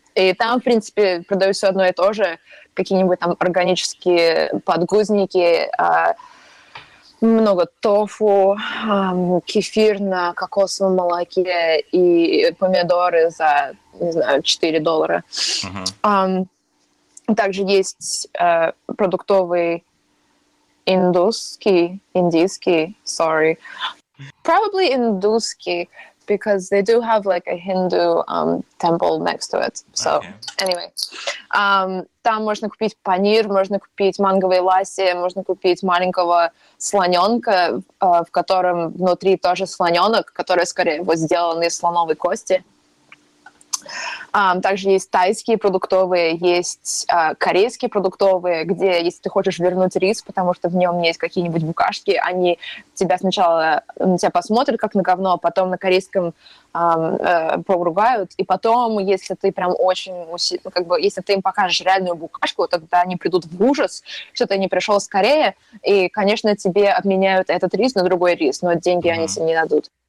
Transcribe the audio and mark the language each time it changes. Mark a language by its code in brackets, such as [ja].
[ru] И там, в принципе, продают все одно и то же. Какие-нибудь там органические подгузники, много тофу, кефир на кокосовом молоке и помидоры за, не знаю, $4. Также есть продуктовый индусский. [en] Probably [ru] индусский. [en] Because they do have like a Hindu temple next to it. So anyway, [ru] там можно купить панир, можно купить манговые ласси, можно купить маленького слоненка, в котором внутри тоже слоненок, который скорее вот сделан из слоновой кости. Также есть тайские продуктовые, есть корейские продуктовые, где, если ты хочешь вернуть рис, потому что в нем есть какие-нибудь букашки, они тебя сначала на тебя посмотрят как на говно, а потом на корейском поругают, и потом, если ты прям очень, как бы, если ты им покажешь реальную букашку, тогда они придут в ужас, что ты не пришел с Кореи, и, конечно, тебе обменяют этот рис на другой рис, но деньги они себе не дадут.